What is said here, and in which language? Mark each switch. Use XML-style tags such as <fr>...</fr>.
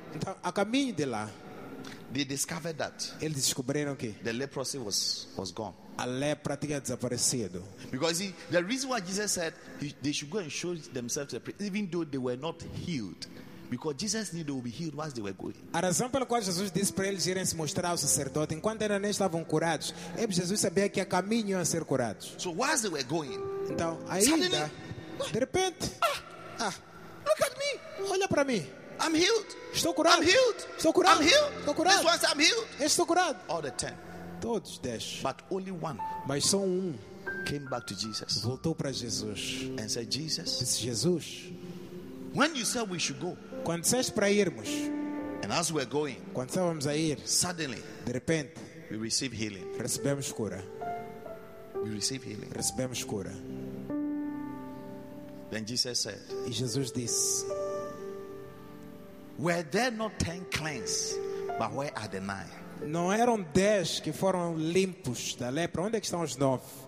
<pt>então, a caminho de lá,</pt> <en>they discovered that</en> <pt>eles descobriram que</pt> <en>the leprosy was gone.</en> <pt>A lepra tinha desaparecido.</pt> <en>Because the reason why Jesus said they should go and show themselves to the priest, even though they were not healed. Because Jesus knew they would be healed whilst they were going.</en> <pt>A razão pela qual Jesus disse para eles irem se mostrar ao sacerdote enquanto ainda não estavam curados, é porque Jesus sabia que a caminho iam ser curados.</pt> <en>So whilst they were going,</en> <pt>então, ainda, de repente,</pt> <en>look at me,</en> <pt>olha para mim,</pt> <en>I'm healed,</en> <pt>estou curado,</pt> <en>I'm healed,</en> <pt>estou curado,</pt> <en>I'm healed,</en> <pt>estou curado,</pt> <en>this one said I'm healed,</en> <pt>estou curado.</pt> <en>All the 10,</en> <pt>todos 10,</pt> <en>but only one,</en> <pt>mas só um,</pt> <en>came back to Jesus,</en> <pt>voltou para Jesus,</pt> <en>and said Jesus,</en> <pt>disse Jesus,</pt> <en>When you said we should go,</en> <pt>quando disseste para irmos,</pt> <en>and as we're going,</en> <pt>quando estávamos a ir,</pt> <en>suddenly,</en> <pt>de repente,</pt> <en>we receive healing.</en> <pt>Recebemos cura.</pt> <en>We receive healing.</en> <pt>Recebemos cura.</pt> <en>Then Jesus said,</en> <pt>e Jesus disse,</pt> <en>were there not 10 cleansed, but where are the 9?</en> <pt>Não eram 10 que foram limpos da lepra, onde é que estão os 9?</pt>